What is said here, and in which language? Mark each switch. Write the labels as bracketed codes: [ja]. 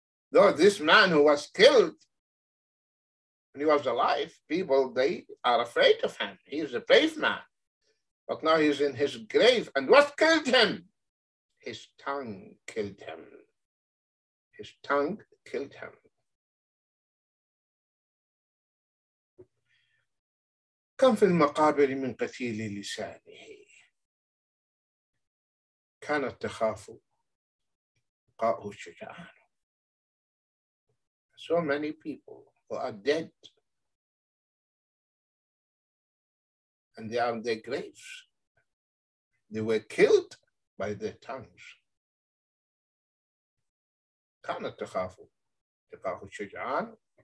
[en] Though this man who was killed, when he was alive, people, they are afraid of him. He is a brave man. But now he's in his grave. And what killed him? His tongue killed him. His tongue killed him. [ar] كم في المقابر من قتيل لسانه كانت تخاف قاءه الشجعان. [en] So many people who are dead and they are in their graves. They were killed by their tongues. [ar] كانت تخاف قاءه الشجعان.